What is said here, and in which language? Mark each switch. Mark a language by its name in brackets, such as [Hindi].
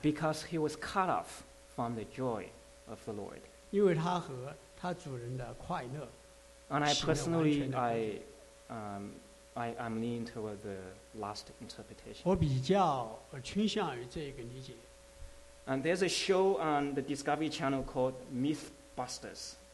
[English] Because he was cut off from the joy of the Lord. [Chinese] 因为他和他主人的快乐。 [English] And I personally, I'm leaning toward the last interpretation. [Chinese] 我比较倾向于这个理解。 [English] And there's a show on the Discovery Channel called Mythbusters.